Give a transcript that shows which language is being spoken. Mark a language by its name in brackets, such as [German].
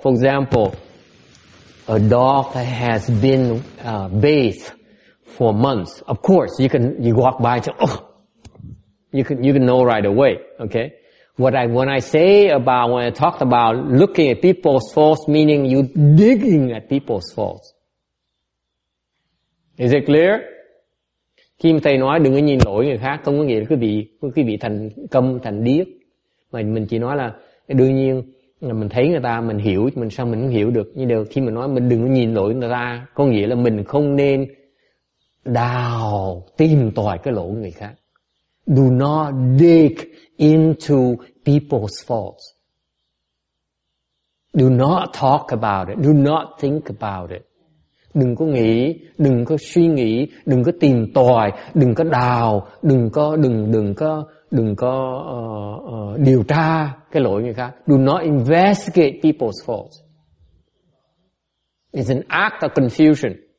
[English] For example, a dog that has been bathed for months. Of course, you walk by and say, oh, You can know right away, okay? When I talked about looking at people's faults, meaning you digging at people's faults. Is it clear? [Vietnamese] Khi mà thầy nói đừng có nhìn lỗi người khác, không có nghĩa là quý vị thành câm, thành điếc. Mình chỉ nói là đương nhiên là mình thấy người ta, mình hiểu, mình sao mình không hiểu được. Nhưng được khi mình nói mình đừng có nhìn lỗi người ta, có nghĩa là mình không nên đào tìm tòi cái lỗi người khác. [English] Do not dig into people's faults. Do not talk about it. Do not think about it. [Vietnamese] Đừng có nghĩ, đừng có suy nghĩ, đừng có tìm tòi, đừng có đào, đừng có điều tra cái lỗi người khác. [English] Do not investigate people's faults. It's an act of confusion.